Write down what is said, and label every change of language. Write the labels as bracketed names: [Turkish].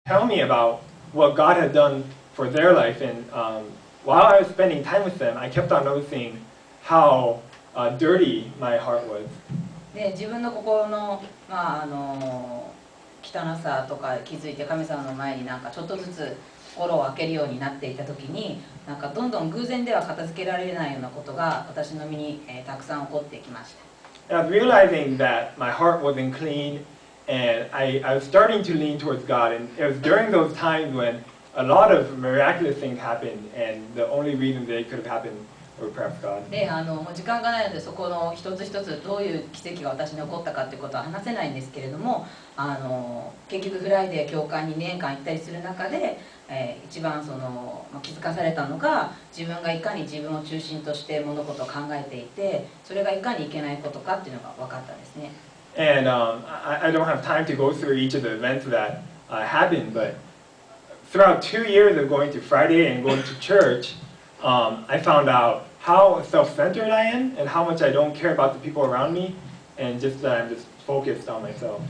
[English] tell me about what God had done for their life. And while I was spending time with them, I kept on noticing how dirty my heart was. [Japanese] で、自分の心の、まあ、汚さとか気づいて神様の前になんかちょっとずつ心を開けるようになっていた時に、なんかどんどん偶然では片付けられないようなことが私の身に、たくさん起こってきました。 [English] I was realizing that my heart wasn't clean and I was starting to lean towards God, and it was during those times when a lot of miraculous things happened and the only reason they could have happened. [Japanese] で、もう時間がないのでそこの一つ一つどういう奇跡が私に起こったかということは話せないんですけれども、結局フライデー教会に2年間行ったりする中で、一番その気づかされたのが、自分がいかに自分を中心として物事を考えていて、それがいかにいけないことかっていうのが分かったんですね。 [English] And、I don't have time to go through each of the events that、happened, but throughout 2 years of going to Friday and going to churchI found out how self-centered I am and how much I don't care about the people around me and just that I'm just focused on myself.